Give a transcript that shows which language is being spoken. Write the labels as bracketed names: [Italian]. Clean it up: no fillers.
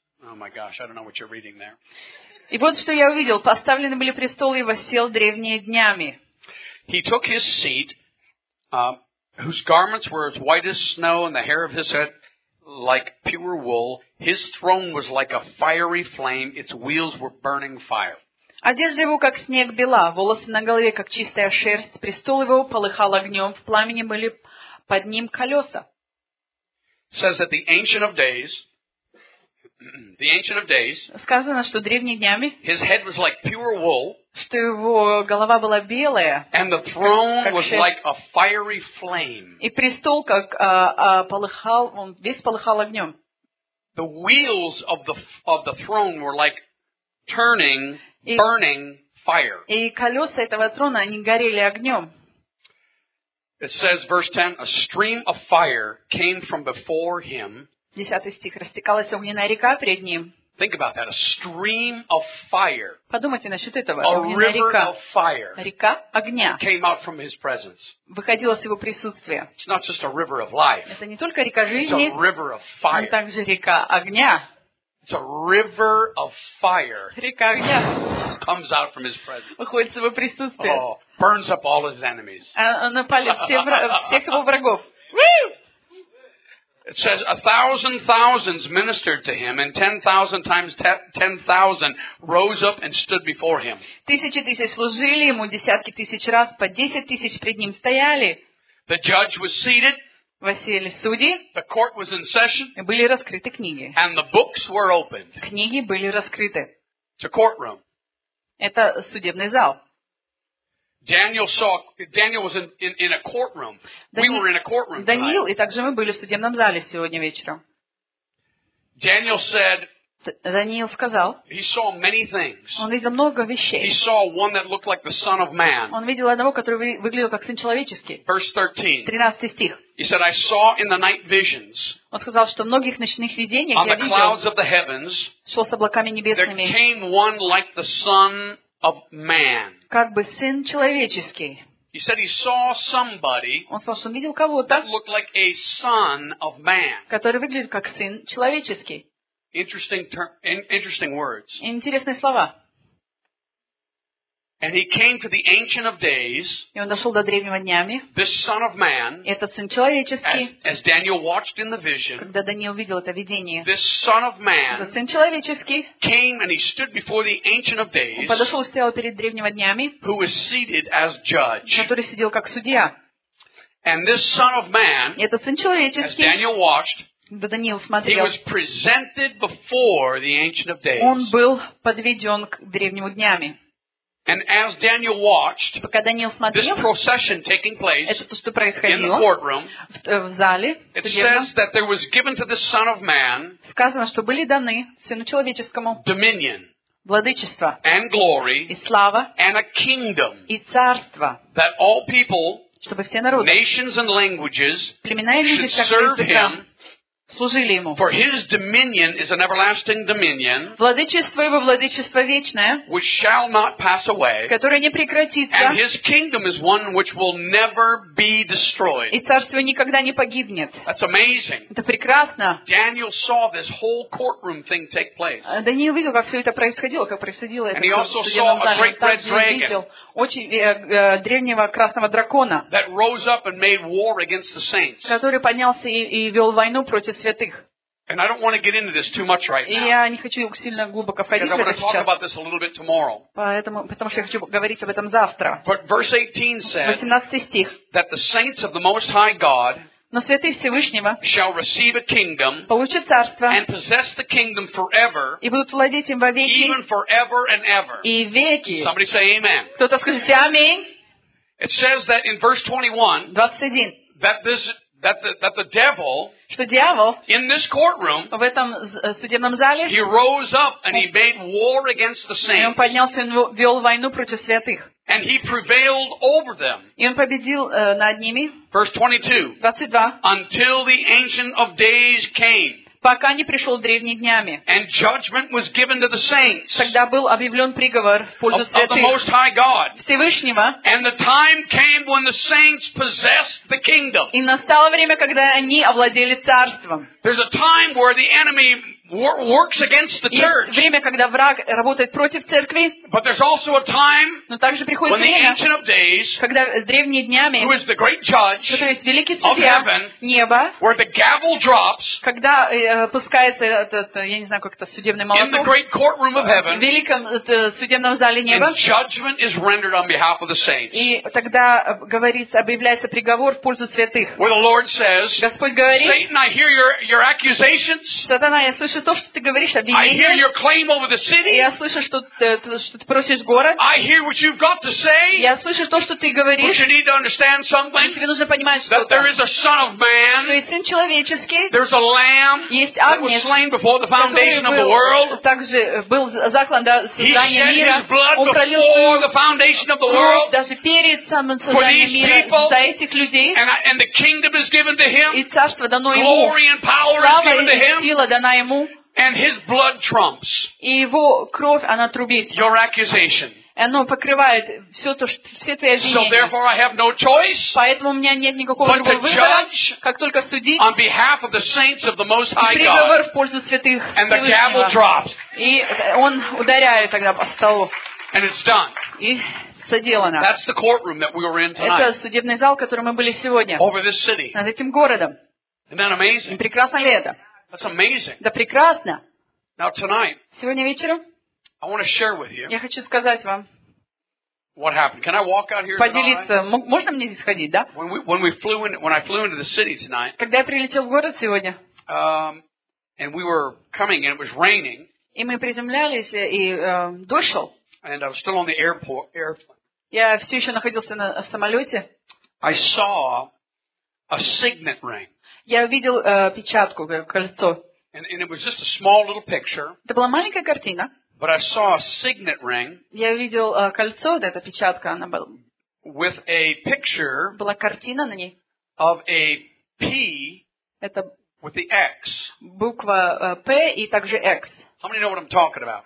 [English] Oh my gosh, I don't know what you're reading there. [Russian] И вот что я увидел. Поставлены были престолы, и воссел древние днями. [English] He took his seat, whose garments were as white as snow, and the hair of his head like pure wool. His throne was like a fiery flame, its wheels were burning fire. [Russian] Одежда его, как снег, бела, волосы на голове, как чистая шерсть. Престол его полыхал огнем, в пламени были под ним колеса. [English] Says that the Ancient of Days, the Ancient of Days, [Russian] сказано, что древние днями, [English] his head was like pure wool, [Russian] что его голова была белая, [English] and the throne was like a fiery flame. [Russian] И престол, как полыхал, он весь полыхал огнем. [English] The wheels of the throne were like turning, burning fire. [Russian] И колеса этого трона, они горели огнем. [English] It says, verse 10, a stream of fire came from before him. [Russian] 10 стих. Растекалась огненная река перед ним. [English] Think about that. A stream of fire. [Russian] Подумайте насчет этого. [English] A river of fire. [Russian] Река огня. [English] Came out from his presence. [Russian] Выходила с его присутствия. [English] It's not just a river of life. [Russian] Это не только река жизни. [English] It's a river of fire. [Russian] Но также река огня. [English] It's a river of fire. [Russian] Река огня. [English] Comes out from his presence. [Russian] Выходит с его присутствия. [English] Oh, burns up all his enemies. [Russian] Напали всех его врагов. [English] It says, a thousand thousands ministered to him, and 10,000 times 10,000 rose up and stood before him. [Russian] Тысячи тысяч служили ему, десятки тысяч раз, по 10,000 пред ним стояли. [English] The judge was seated. [Russian] Восели судьи. [English] The court was in session. [Russian] И были раскрыты книги. [English] And the books were opened. [Russian] Книги были раскрыты. [English] It's a courtroom. [Russian] Это судебный зал. [English] Daniel was in a courtroom. We were in a courtroom. [Russian] Даниил и также мы были в судебном зале сегодня вечером. [English] Daniel said. [Russian] Даниил сказал. [English] He saw many things. [Russian] Он видел много вещей. [English] He saw one that looked like the Son of Man. [Russian] Он видел одного, который выглядел как Сын человеческий. [English] Verse 13. [Russian] 13 стих. [English] He said, "I saw in the night visions." [Russian] Он сказал, что в многих ночных видениях я видел. [English] On the clouds of the heavens. [Russian] Шел с облаками небесными. [English] There came one like the Son of Man. [Russian] Как бы Сын человеческий. [English] He said he saw somebody. [Russian] Он сказал, что он видел кого-то. [English] That looked like a Son of Man. [Russian] Который выглядит как Сын человеческий. [English] Interesting words. [Russian] Интересные слова. [English] And he came to the Ancient of Days. [Russian] И он дошел до древнего днями. [English] This Son of Man. [Russian] Этот Сын человеческий. [English] As Daniel watched in the vision. [Russian] Когда Даниил видел это видение. [English] This Son of Man. [Russian] Этот Сын человеческий. [English] Came and he stood before the Ancient of Days. [Russian] Он подошел и стоял перед древнего днями. [English] Who was seated as judge. [Russian] Который сидел как судья. [English] And this Son of Man. [Russian] Этот Сын человеческий. [English] As Daniel watched. [Russian] Да Даниил смотрел. [English] He was presented before the Ancient of Days. [Russian] Он был подведен к древнему днями. [English] And as Daniel watched, [Russian] пока Даниил смотрел, [English] this procession taking place, [Russian] это то, что происходило [English] in the courtroom, [Russian] в зале, [English] it says that there was given to the Son of Man, [Russian] сказано, что были даны Сыну человеческому [English] dominion, [Russian] владычество, [English] and glory, [Russian] и слава, [English] and a kingdom, [Russian] и царство, [English] that all people, [Russian] чтобы все народы, [English] nations and languages, [Russian] племена и люди, [English] should serve him. [Russian] служили ему. [English] For his dominion is an everlasting dominion, [Russian] владычество его владычество вечное, [English] which shall not pass away, [Russian] которое не прекратится, [English] and his kingdom is one which will never be destroyed. [Russian] И царство никогда не погибнет. [English] That's amazing. [Russian] Это прекрасно. [English] Daniel saw this whole courtroom thing take place. [Russian] Даниил видел, как все это происходило, как происходило это. [English] And he also saw a great red dragon, [Russian] очень древнего красного дракона, [English] that rose up and made war against the saints, [Russian] который поднялся и вел войну против святых. [English] And I don't want to get into this too much right now. [Russian] И я не хочу сильно глубоко входить в это сейчас. [English] Because I want to talk about this a little bit tomorrow. [Russian] Потому что я хочу говорить об этом завтра. [English] But verse 18 says, [Russian] 18 стих, [English] that the saints of the Most High God, [Russian] но святые Всевышнего, [English] shall receive a kingdom, [Russian] получат царство, [English] and possess the kingdom forever, [Russian] и будут владеть им вовеки, [English] even forever and ever. [Russian] И веки. [English] Somebody say amen. [Russian] Кто-то скажет аминь. [English] It says that in verse 21, that the devil, [Russian] что дьявол, [English] in this courtroom, [Russian] в этом судебном зале, [English] he rose up and he made war against the saints, [Russian] и он поднялся и вел войну против святых, [English] and he prevailed over them, [Russian] и он победил над ними. [English] Verse 22, until the Ancient of Days came, [Russian] пока не пришел древний днями, [English] and judgment was given to the saints, [Russian] тогда был объявлен приговор в пользу святых, [English] of the Most High God, [Russian] Всевышнего, [English] and the time came when the saints possessed the kingdom, [Russian] и настало время, когда они овладели царством. [English] There's a time where the enemy works against the church. [Russian] Время, когда враг работает против церкви. [English] But there's also a time, [Russian] но также приходит время, [English] when the Ancient of Days, [Russian] когда древние днями, [English] who is the great judge, [Russian] который есть великий судья неба, [English] where the gavel drops, [Russian] когда пускается этот, я не знаю, как это, судебный молоток, [English] in the great courtroom of heaven, [Russian] в великом судебном зале неба, [English] and judgment is rendered on behalf of the saints. [Russian] И тогда говорится, объявляется приговор в пользу святых. [English] Where the Lord says, [Russian] Господь говорит, [English] Satan, I hear your accusations. [Russian] Сатана, я слышу то, что ты говоришь, обвинение. [English] I hear your claim over the city. [Russian] Я слышу, что ты просишь город. [English] I hear what you've got to say. [Russian] Я слышу то, что ты говоришь. [English] But you need to understand something. [Russian] Тебе нужно понимать, [English] that there is a son of man. [Russian] Что есть сын человеческий. [English] There's a lamb. [Russian] Есть агнец. [English] That was slain before the foundation of the world. [Russian] Также был заклан до создания мира. [English] He shed his blood before the foundation of the world. [Russian] Даже перед самым созданием мира. [English] For these people. [Russian] За этих людей. [English] And the kingdom is given to him. [Russian] И царство дано ему. [English] Glory and power is given to him. [Russian] Слава и сила дана ему. [English] And his blood trumps. [Russian] И его кровь она трубит. [English] Your accusation. [Russian] Оно покрывает все то, что все твои обвинения. [English] So therefore I have no choice. [Russian] Поэтому у меня нет никакого другого выбора, как только судить. [English] On behalf of the saints of the Most High God. [Russian] И приговор в пользу святых. [English] And the gavel drops. [Russian] И он ударяет тогда по столу. [English] And it's done. [Russian] И соделано. [English] That's the courtroom that we were in tonight. [Russian] Это судебный зал, в котором мы были сегодня. [English] Over this city. [Russian] Над этим городом. [English] Isn't that amazing? [Russian] И прекрасно ли это? [English] That's amazing. [Russian] Да прекрасно. [English] Now tonight, [Russian] сегодня вечером, [English] I want to share with you, [Russian] я хочу сказать вам, [English] what happened. Can I walk out here? [Russian] Поделиться. Можно мне здесь ходить, да? [English] When I flew into the city tonight, [Russian] когда я прилетел в город сегодня, [English] and we were coming and it was raining, [Russian] и мы приземлялись и дождь шел, [English] and I was still on the airplane, [Russian] я все еще находился на самолете, [English] I saw a signet ring. [Russian] Я увидел печатку, кольцо. [English] And it was just a small little picture. [Russian] Это была маленькая картина. [English] But I saw a signet ring. [Russian] Я увидел кольцо, да, эта печатка, она была. [English] With a picture. [Russian] Была картина на ней. [English] Of a P. [Russian] Это. [English] With the X. [Russian] Буква P и также X. [English] How many know what I'm talking about?